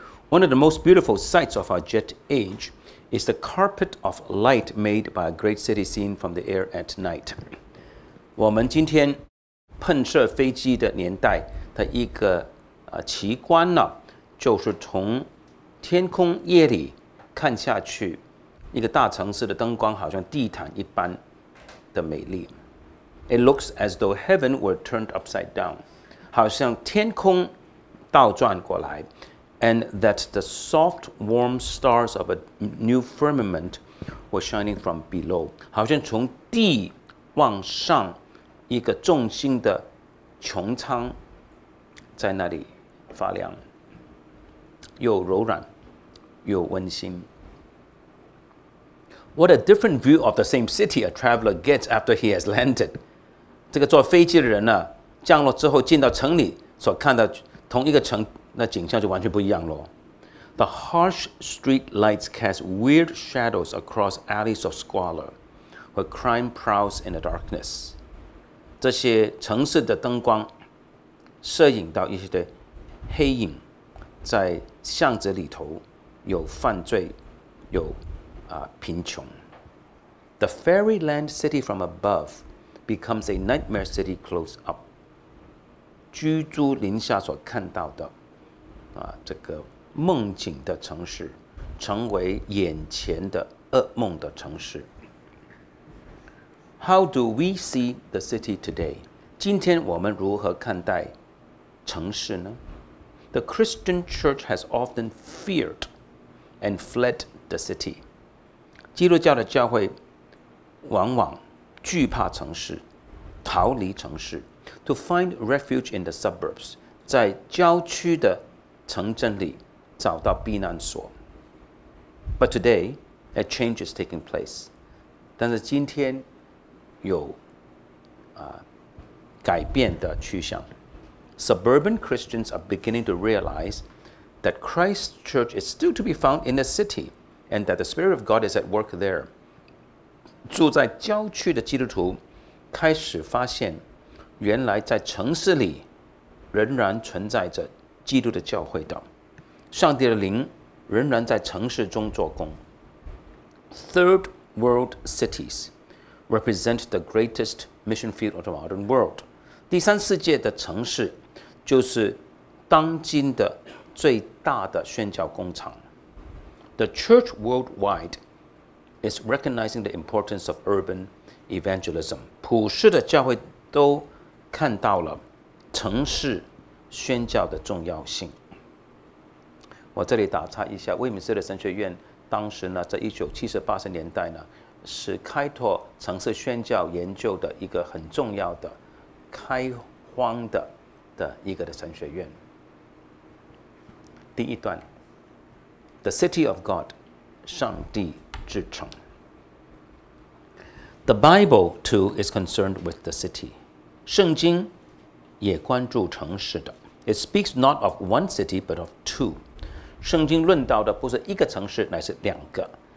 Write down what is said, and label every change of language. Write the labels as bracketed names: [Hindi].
[English] One of the most beautiful sights of our jet age is the carpet of light made by a great city seen from the air at night. [Chinese] 我们今天喷射飞机的年代的一个奇观呢，就是从天空夜里看下去，一个大城市的灯光好像地毯一般的美丽。 [English] It looks as though heaven were turned upside down， [Chinese] 好像天空倒转过来。 [English] And that the soft, warm stars of a new firmament were shining from below， [Chinese] 好像从地往上。一个众星的穹苍在那里发亮，又柔软又温馨。 [English] What a different view of the same city a traveler gets after he has landed. [Chinese] 这个坐飞机的人呢，降落之后进到城里，所看到同一个城那景象就完全不一样了。 [English] The harsh street lights cast weird shadows across alleys of squalor, where crime prowls in the darkness. [Chinese] 这些城市的灯光摄影到一些的黑影在巷子里头有犯罪有贫穷 [English] The fairyland city from above becomes a nightmare city close up [Chinese] 居住林下所看到的这个梦境的城市成为眼前的噩梦的城市 [English] How do we see the city today? [Chinese] 今天我们如何看待城市呢? [English] The Christian church has often feared and fled the city. [Chinese] 基督教的教会往往惧怕城市,逃离城市。 [English] To find refuge in the suburbs, [Chinese] 在郊区的城镇里找到避难所。 [English] But today, a change is taking place. [Chinese] 但是今天有改变的趋向。 [English] Suburban Christians are beginning to realize that Christ's church is still to be found in the city and that the Spirit of God is at work there. [Chinese] 住在郊区的基督徒开始发现原来在城市里仍然存在着基督的教会的。上帝的灵仍然在城市中做工。 [English] Third world cities. represent the greatest mission field of the modern world. [Chinese] 第三世界的城市就是当今的最大的宣教工厂。 [English] The church worldwide is recognizing the importance of urban evangelism. [Chinese] 普世的教会都看到了城市宣教的重要性。我这里打岔一下，威敏斯特神学院当时呢，在1970-80年代呢。是开拓城市宣教研究的一个很重要的开荒 的一个的神学院。第一段 [English] The City of God [Chinese] 上帝之城 [English] The Bible too is concerned with the city [Chinese] 圣经也关注城市的 [English] It speaks not of one city but of two [Chinese] 圣经论到的不是一个城市乃是两个